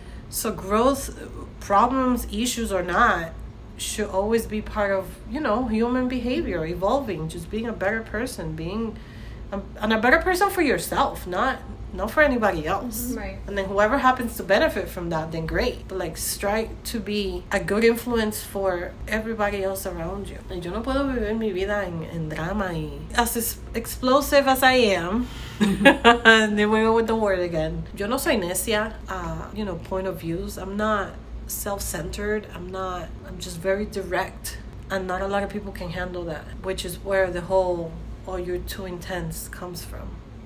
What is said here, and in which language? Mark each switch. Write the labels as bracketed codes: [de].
[en] So growth, problems, issues or not, should always be part of, you know, human behavior, evolving, just being a better person, being and a better person for yourself, not for anybody else. Right. And then whoever happens to benefit from that, then great. But, like, strive to be a good influence for everybody else around you. [es] Yo no puedo vivir mi vida en drama y... [en] As explosive as I am, then we go with the word again. [es] Yo no soy necia, [en] you know, point of views. I'm not self-centered. I'm just very direct. And not a lot of people can handle that, which is where the whole, oh, you're too intense comes from.